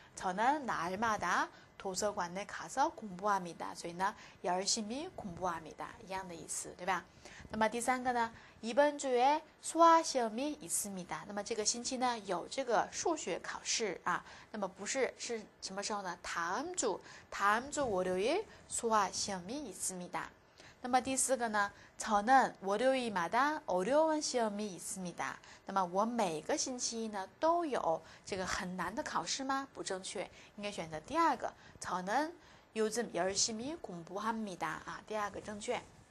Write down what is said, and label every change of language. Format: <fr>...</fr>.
<ko>저는날마다도서관에가서공부합니다。</ko> <zh>所以呢，</zh> <ko>열심히공부합니다，</ko> <zh>一样的意思，对吧？那么第三个呢，</zh> <ko>이번주에수학시험이있습니다。</ko> <zh>那么这个星期呢，有这个数学考试啊。那么不是，是什么时候呢？</zh> <ko>다음 주월요일수학시험이있습니다。</ko> <zh>那么第四个呢，</zh> <ko>저는월요일마다어려운시험이있습니다。</ko> <zh>那么我每个星期一呢都有这个很难的考试吗？不正确，应该选择第二个。</zh> <ko>저는요즘열심히공부합니다</ko> <zh>啊，第二个正确。</zh>